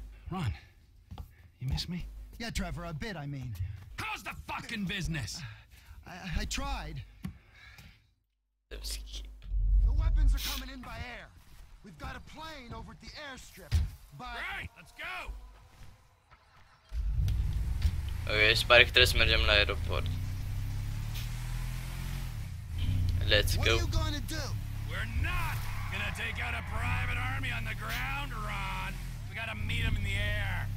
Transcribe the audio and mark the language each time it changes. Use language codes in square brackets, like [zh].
[en] Ron, you miss me? Yeah, Trevor, a bit, I mean. How's the fucking business? I tried. The weapons are coming in by air. We've got a plane over at the airstrip. But... Right, let's go. [ro] Okay, pare că trebuie să mergem la aeroport. [en] Let's go. What are you gonna do? We're not gonna take out a private army on the ground, Ron. We gotta meet them in the air.